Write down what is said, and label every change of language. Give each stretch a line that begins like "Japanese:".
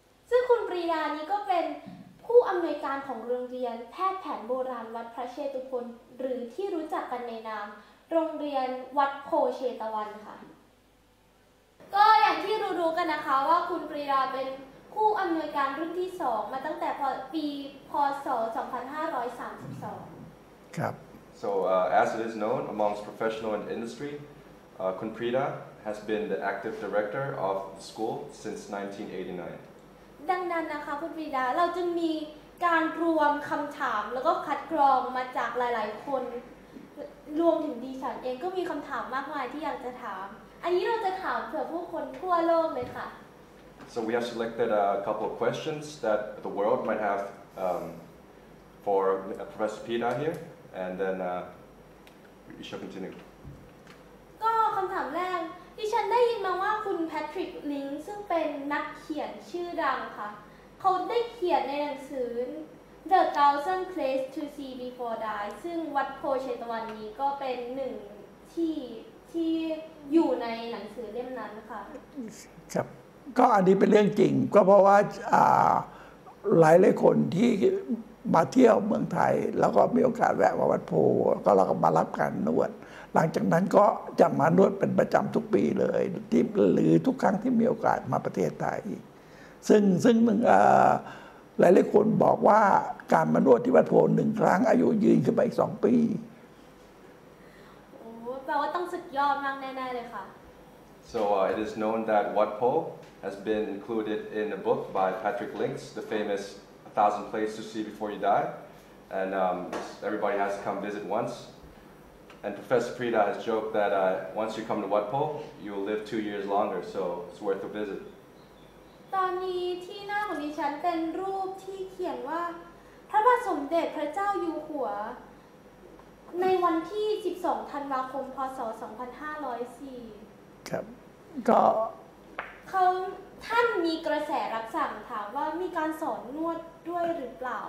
Thai: ซึ่งคุณปรีดานี่ก็เป็นผู้อำนวยการของโรงเรียนแพทย์แผนโบราณวัดพระเชตุพนหรือที่รู้จักกันในนามโรงเรียนวัดโพเชตวันค่ะก็อย่างที่รู้ๆกันนะคะว่าคุณปรีดาเป็นผู้อำนวยการรุ่นที่2มาตั้งแต่ปีพ. ศ. 2532 ครับ
English: So as it is known amongst professional and industry คุณปรีดา has been the active director of the school since 1989
Thai: ดังนั้นนะคะคุณปรีดาเราจึงมีการรวมคำถามแล้วก็คัดกรองมาจากหลายๆคนรวมถึงดิฉันเองก็มีคำถามมากมายที่อยากจะถามอันนี้เราจะถามเผื่อผู้คนทั่วโลกเลยค่ะ
English: So we have selected a couple of questions that the world might have for Professor Prita here and then we shall continue
Thai: ก็คำถามแรกดิฉันได้ยินมาว่าคุณแพทริกลิงซึ่งเป็นนักเขียนชื่อดังค่ะเขาได้เขียนในหนังสือ The Thousand Places to See Before Die ซึ่งวัดโพเชตวันนี้ก็เป็นหนึ่งที่อยู่ในหนังสือเล่มนั้นค่ะ ครับก็อันนี้เป็นเรื่องจริงก็เพราะว่าหลายคนที่มาเที่ยวเมืองไทยแล้วก็มีโอกาสแวะมาวัดโพก็เราก็มารับการนวดหลังจากนั้นก็จะมานวดเป็นประจำทุกปีเลยที่หรือทุกครั้งที่มีโอกาสมาประเทศไทยซึ่งหลายคนบอกว่าการมานวดที่วัดโพหนึ่งครั้งอายุยืนขึ้นไปอีก2ปี โอ้แปลว่าต้องสุดยอดมากแน่ๆเลยค่ะ
English: So it is known that Wat Pho has been included in a book by Patrick Links the famous 1,000 places to see before you die, and everybody has to come visit once. And Professor Prida has joked that once you come to Wat Pol, you'll live 2 years longer, so it's worth a visit.
Thai: ตอนนี้ที่หน้าของดิฉันเป็นรูปที่เขียนว่าพระบาทสมเด็จพระเจ้าอยู่หัวในวันที่12ธันวาคมพ.ศ. 2504 ครับก็ เขาท่านมีกระแสรับสั่งถามว่ามีการสอนนวดด้วยหรือเปล่า